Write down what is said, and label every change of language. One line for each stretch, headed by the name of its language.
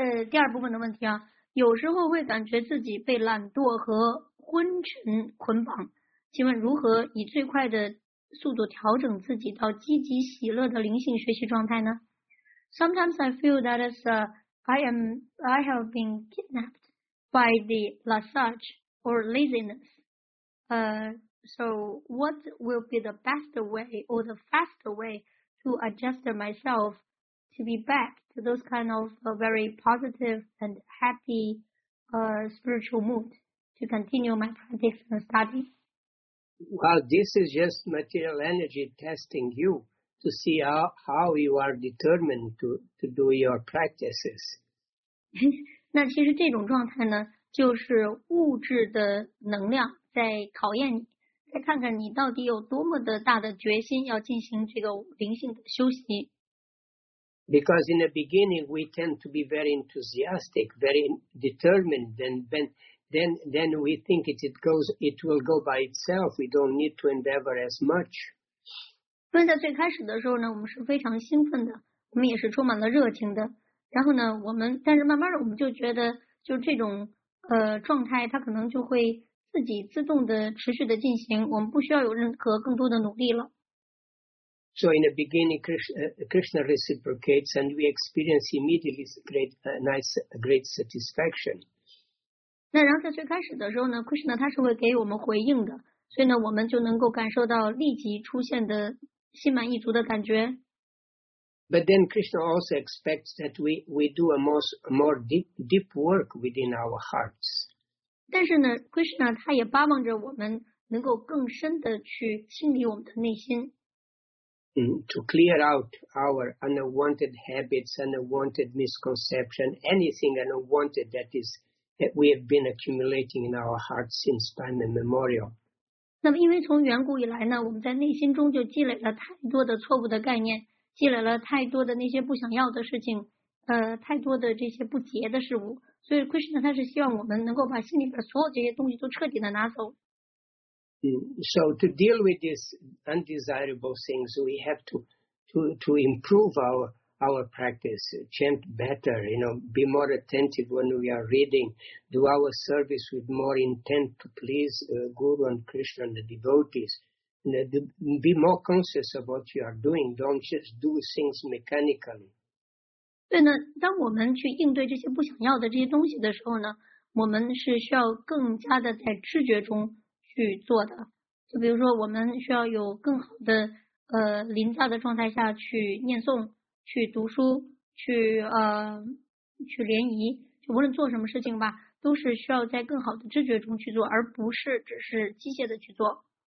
Chinese: 第二部分的问题啊，有时候会感觉自己被懒惰和昏沉捆绑，请问如何以最快的速度调整自己到积极喜乐的灵性学习状态呢？
English: Sometimes I feel that I have been kidnapped by the lethargy or laziness. So what will be the best way or the faster way to adjust myself to be back to those kind of very positive and happy spiritual mood? to continue my practice and study. Well, this is just material energy testing you to see how you are determined to do your practices.
Chinese: 那其实这种状态呢，就是物质的能量在考验你，再看看你到底有多么的大的决心要进行这个灵性的修习。
English: Because in the beginning we tend to be very enthusiastic, very determined, then we think it will go by itself. We don't need to endeavor as much.
Chinese: 因为在最开始的时候呢，我们是非常兴奋的，我们也是充满了热情的。然后呢，我们但是慢慢的我们就觉得，就这种状态，它可能就会自己自动的持续的进行，我们不需要有任何更多的努力了。
English: So in the beginning, Krishna reciprocates, and we experience immediately great satisfaction.
Chinese: 那然后在最开始的时候呢 ，Krishna 他是会给我们回应的，所以呢，我们就能够感受到立即出现的心满意足的感觉。
English: But then Krishna also expects that we do a more deep work within our hearts.
Chinese: 但是呢 ，Krishna 他也巴望着我们能够更深的去清理我们的内心。
English: To clear out our unwanted habits, unwanted misconception, anything unwanted that we have been accumulating in our hearts since time immemorial.
Chinese: 那么因为从远古以来呢，我们在内心中就积累了太多的错误的概念，积累了太多的那些不想要的事情，太多的这些不洁的事物。所以 Krishna 他是希望我们能够把心里的所有这些东西都彻底的拿走。
English: So to deal with these undesirable things, we have to improve our practice, chant better, you know, be more attentive when we are reading, do our service with more intent to please Guru and Krishna and the devotees, and be more conscious of what you are doing. Don't just do things mechanically.
Chinese: 对呢，当我们去应对这些不想要的这些东西的时候呢，我们是需要更加的在知觉中。去做的，就比如说，我们需要有更好的临在的状态下去念诵、去读书、去联谊，就无论做什么事情吧，都是需要在更好的知觉中去做，而不是只是机械的去做。